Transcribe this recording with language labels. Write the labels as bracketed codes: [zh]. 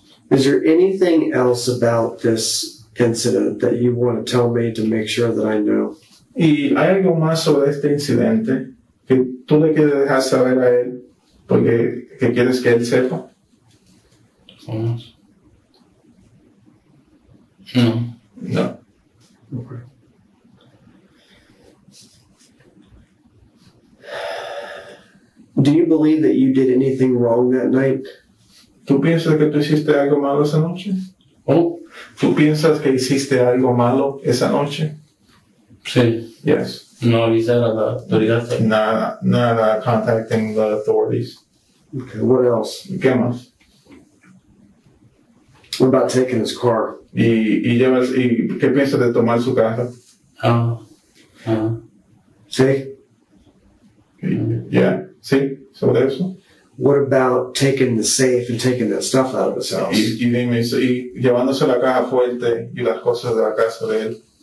[en] Is there anything else about this incident that you want to tell me to make sure that I know? [es] ¿Y hay algo más sobre este incidente? Que tú le quieres dejar saber a él, porque que quieres que él sepa. No. Okay. [en] Do you believe that you did anything wrong that night? [es] ¿Tú piensas que tú hiciste algo malo esa noche? ¿Tú piensas que hiciste algo malo esa noche? Sí. [en] Yes. [es] No avisar a la autoridad. [en] Nada, contacting the authorities. Okay, what else? [es] ¿Qué más? [en] What about taking his car? [es] ¿Y qué piensas de tomar su carro? ¿Sí? Yeah, sí, sobre eso. [en] What about taking the safe and taking that stuff out of his house? [es] Y llevándose la caja fuerte y las cosas de la casa de él.